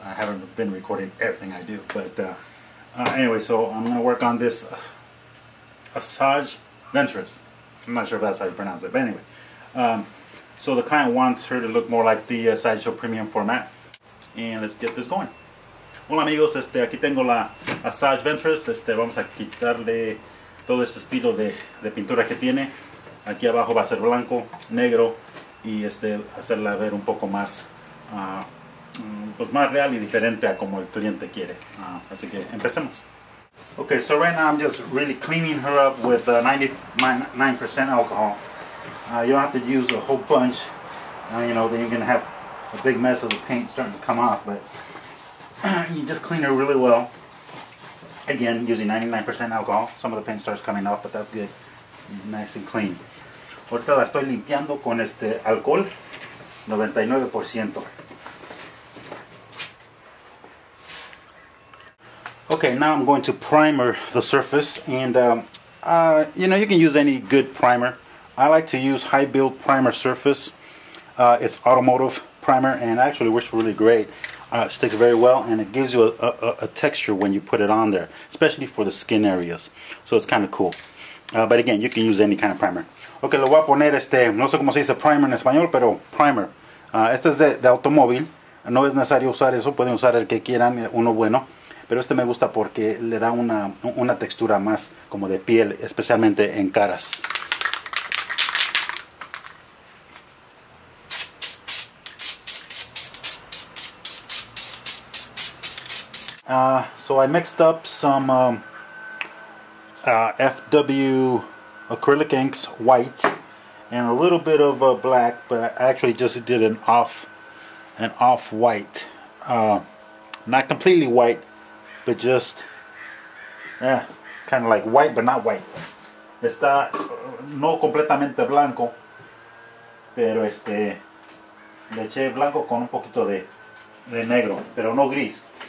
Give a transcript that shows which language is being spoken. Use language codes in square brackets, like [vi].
[en] I haven't been recording everything I do, but anyway, so I'm going to work on this asajj ventres. I'm not sure if that's how you pronounce it, but anyway. So the client wants her to look more like the Sideshow Premium format, and let's get this going. [es] Hola amigos, aquí tengo la asajj ventres. Vamos a quitarle todo ese estilo de pintura que tiene. Aquí abajo va a ser blanco, negro, y hacerla ver un poco más pues más real y diferente a como el cliente quiere. Así que empecemos. [en] Okay, so right now I'm just really cleaning her up with 99% alcohol. You don't have to use a whole bunch. You know, then you're gonna have a big mess of the paint starting to come off, but you just clean her really well. Again, using 99% alcohol. Some of the paint starts coming off, but that's good. Nice and clean. [es] Ahorita la estoy limpiando con alcohol, 99%. [en] Okay, now I'm going to primer the surface, and you know, you can use any good primer. I like to use high build primer surface. It's automotive primer, and actually works really great. It sticks very well, and it gives you a texture when you put it on there, especially for the skin areas. So it's kind of cool. But again, you can use any kind of primer. [es] Okay, lo voy a poner no sé cómo se dice primer en español, pero primer. Este es de automóvil. No es necesario usar eso. Pueden usar el que quieran, uno bueno. Pero este me gusta porque le da una textura más como de piel, especialmente en caras. [en] So I mixed up some FW acrylic inks, white, and a little bit of black, but I actually just did an off white, not completely white, but just kind of like white, but not white. [es] Está no completamente blanco, pero le eché blanco con un poquito de negro, pero no gris.